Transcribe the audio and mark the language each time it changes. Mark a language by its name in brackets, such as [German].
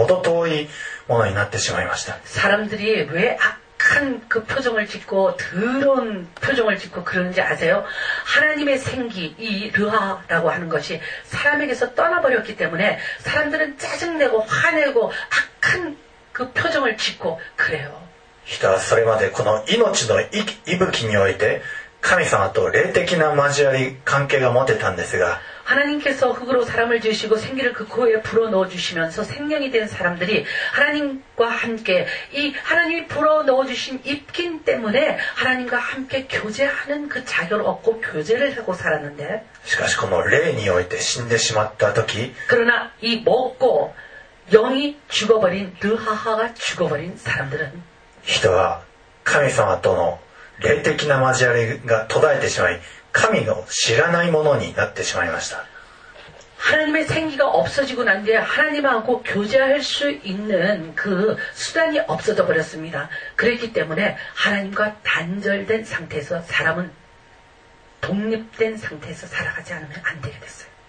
[Japanese] ところがこの神のご性質、神の命そのものであるルアハが死んでしまった時、人はもはや神の似姿とは程遠いものになってしまいました. [Korean] 사람들이 왜 악한 그 표정을 짓고 더러운 표정을 짓고 그러는지 아세요? 하나님의 생기, 이 르하라고 하는 것이 사람에게서 떠나버렸기 때문에 사람들은 짜증내고 화내고 악한 그 표정을 짓고 그래요. [Japanese] 人はそれまでこの命の息吹において神様と霊的な交わり関係が持てたんですが、 [Korean] 하나님께서 흙으로 사람을 지으시고 생기를 그 코에 불어넣어 주시면서 생명이 된 사람들이 하나님과 함께 이 하나님이 불어넣어 주신 입김 때문에 하나님과 함께 교제하는 그 자격을 얻고 교제를 하고 살았는데, [Japanese] しかしこの霊において死んでしまった時, [Korean] 그러나 이 먹고 영이 죽어버린 르하하가 죽어버린 사람들은 [Japanese] 人は神様との霊的な交わりが途絶えてしまい、神の知らないものになってしまいました。 [Korean] 하나님의생기가없어지고난뒤에하나님하고교제할수있는그수단이없어져버렸습니다그랬기때문에하나님과단절된상태에서사람은독립된상태에서살아가지않으면안되겠어요